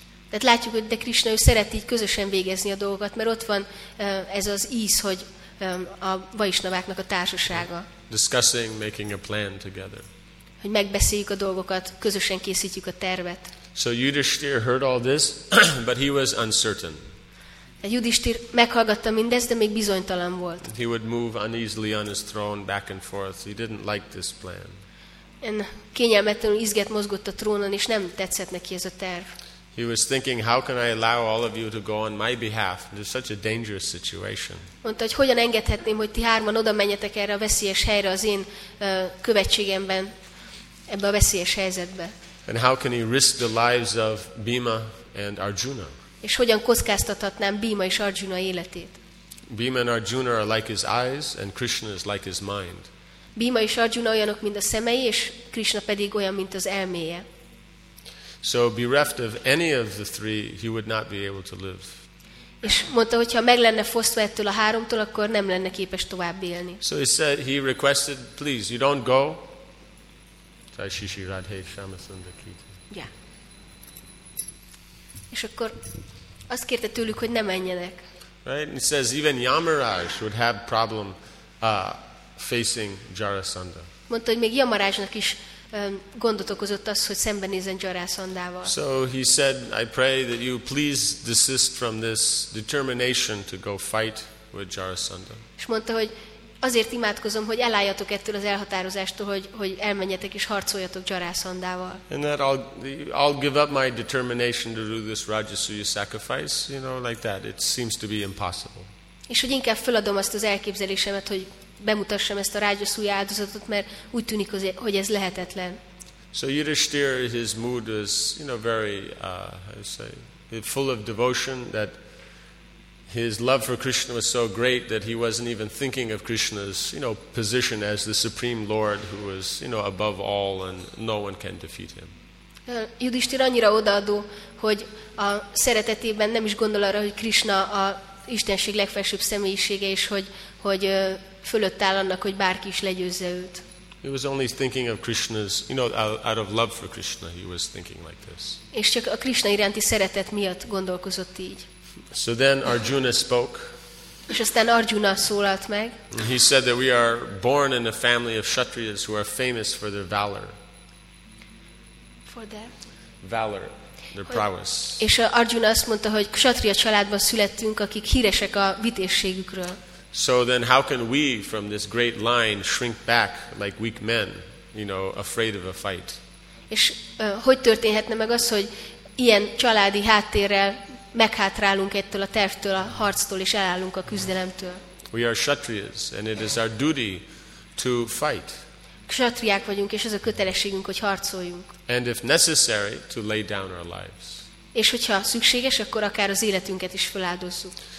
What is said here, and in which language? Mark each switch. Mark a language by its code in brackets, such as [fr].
[hu] Tehát látjuk, hogy de Krishna ő szereti közösen végezni a dolgot, mert ott van ez az íz, hogy a Vaishnaváknak a társasága. [en] Discussing, making a plan together. [hu] Hogy megbeszéljük a dolgokat, közösen készítjük a tervet. [en] So Yudhishthir heard all this, but he was uncertain. [hu] Yudhishthir meghallgatta mindezt, de még bizonytalan volt. [en] He would move uneasily on his throne back and forth. He didn't like this plan. [hu] Kényelmetlenül izget mozgott a trónon, és nem tetszett neki ez a terv. [en] He was thinking, how can I allow all of you to go on my behalf? It's such a dangerous situation. [hu] Mondta, hogy hogyan engedhetném, hogy ti hárman oda menjetek erre a veszélyes helyre az én követségemben, ebbe a veszélyes helyzetbe. [en] And how can he risk the lives of Bhima and Arjuna? [hu] És hogyan kockáztathatnám Bhima és Arjuna életét? [en] Bhima and Arjuna are like his eyes, and Krishna is like his mind. [hu] Bhima és Arjuna olyanok, mint a szemei, és Krishna pedig olyan, mint az elméje. [en] So bereft of any of the three, he would not be able to live. [hu] És mondta, hogyha meg lenne fosztva ettől a háromtól, akkor nem lenne képes tovább élni. [en] So he said, he requested, please, you don't go. Jai Shishi Radhe Shamasundakita. Yeah. [hu] És akkor azt kérte tőlük, hogy ne menjenek. [en] Right, and he says, even Yamaraj would have problem facing Jarasandha. [hu] Mondta, hogy még Yamarajnak is gondot okozott az, hogy szembenézzen Jarasandával. [en] So he said, I pray that you please desist from this determination to go fight with Jarasandha. [hu] És mondta, hogy azért imádkozom, hogy elálljatok ettől az elhatározástól, hogy elmenjetek és harcoljatok Jarasandával. [en] And that I'll give up my determination to do this Rajasuya sacrifice, you know, like that. It seems to be impossible. [hu] És hogy inkább feladom azt az elképzelésemet, hogy bemutassam ezt a rágyaszúj áldozatot, mert úgy tűnik, hogy ez lehetetlen. [en] So Yudhishthir, his mood is, you know, very, how do you say, full of devotion, that his love for Krishna was so great that he wasn't even thinking of Krishna's, you know, position as the Supreme Lord who was, you know, above all and no one can defeat him. [hu] Yudhishthir annyira odaadó, hogy a szeretetében nem is gondol arra, hogy Krishna a Istenség legfelsőbb személyisége, és hogy fölött áll annak, hogy bárki is legyőzze őt. [en] He was only thinking of Krishna's, you know, out of love for Krishna, he was thinking like this. [hu] És csak a Krishna iránti szeretet miatt gondolkozott így. [en] So then Arjuna spoke. [hu] És aztán Arjuna szólalt meg. [en] He said that we are born in a family of Kshatriyas who are famous for their valor. For their? Valor. Their prowess. [hu] És Arjuna azt mondta, hogy Kshatriya családban születtünk, akik híresek a vitézségükről. [en] So then how can we from this great line shrink back like weak men, you know, afraid of a fight? [hu] És hogy történhetne meg az, hogy ilyen családi háttérrel meghátrálunk ettől a tervtől, a harctól és elállunk a küzdelemtől? [en] We are Kshatriyas and it is our duty to fight. [hu] Kshatriyák vagyunk és ez a kötelességünk, hogy harcoljunk. [en] And if necessary to lay down our lives. És hogyha szükséges, akkor akár az életünket is feláldozzuk.